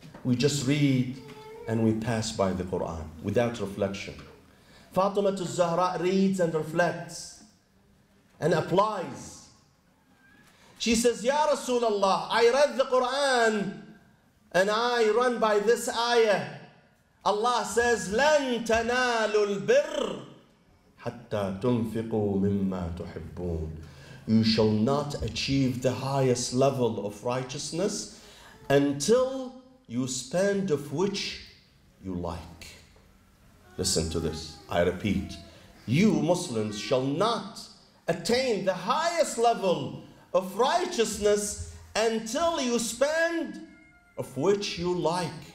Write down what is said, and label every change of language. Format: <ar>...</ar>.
<en>We just read and we pass by the Quran without reflection. Fatima al-Zahra reads and reflects and applies. She says, Ya Rasulullah, I read the Quran and I run by this ayah.</en> <ar>Allah says, لَن تَنَالُوا الْبِرَّ حَتَّى تُنْفِقُوا مِمَّا تُحِبُّونَ.</ar> <en>You shall not achieve the highest level of righteousness until you spend of which you like. Listen to this. I repeat, you Muslims shall not attain the highest level of righteousness until you spend of which you like.</en>